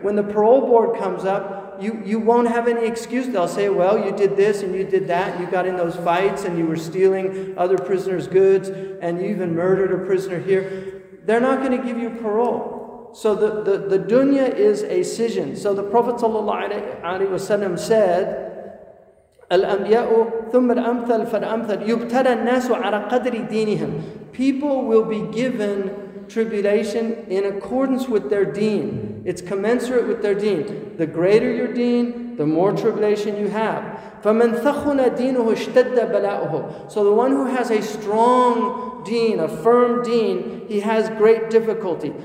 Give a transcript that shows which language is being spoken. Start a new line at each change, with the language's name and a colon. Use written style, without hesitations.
English: When the parole board comes up, you won't have any excuse. They'll say, well, you did this and you did that. You got in those fights and you were stealing other prisoners' goods and you even murdered a prisoner here. They're not going to give you parole. So the dunya is a scission. So the Prophet ﷺ said,
Arabic: الْأَنْبِيَاءُ ثُمَّ الْأَمْثَلْ فَالْأَمْثَلْ يُبْتَلَى النَّاسُ عَلَى قَدْرِ دِينِهِمْ.
English: People will be given tribulation in accordance with their deen. It's commensurate with their deen. The greater your deen, the more tribulation you have.
Arabic: فَمَنْ ثَخُنَ دِينُهُ اشْتَدَّ بَلَاؤُهُ.
English: So the one who has a strong deen, a firm deen, he has great difficulty.